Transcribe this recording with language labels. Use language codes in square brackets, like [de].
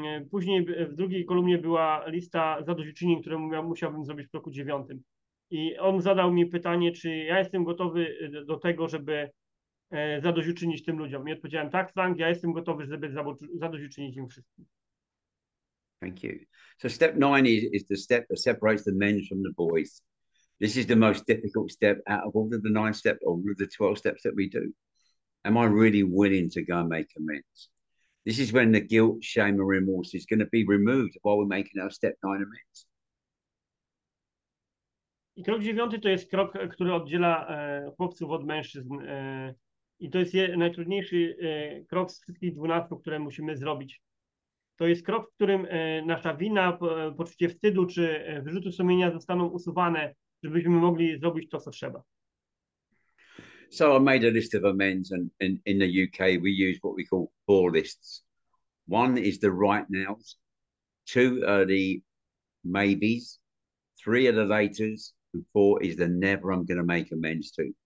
[pl] Później w drugiej kolumnie była lista zadośćuczynień, które musiałbym zrobić w roku 9. I on zadał mi pytanie, czy ja jestem gotowy do tego, żeby zadośćuczynić tym ludziom. I odpowiedziałem: tak, Frank, ja jestem gotowy, żeby zadośćuczynić im wszystkim. [en] Thank you. So step nine is the step that separates the men from the boys. This is the most difficult step out of all of the nine steps or the 12 steps that we do. Am I really willing to go and make amends? This is when the guilt, shame, and remorse is going to be removed while we're making our step nine amends. [pl] I krok 9 to jest krok, który oddziela chłopców od mężczyzn. I to jest najtrudniejszy krok z wszystkich 12, które musimy zrobić. To jest krok, w którym nasza wina, poczucie wstydu czy wyrzuty sumienia zostaną usuwane, żebyśmy mogli zrobić to, co trzeba. [en] So I made a list of amends, and in the UK we use what we call four lists. One is the right nows, two are the maybes, three are the laters, and four is the never I'm going to make amends to.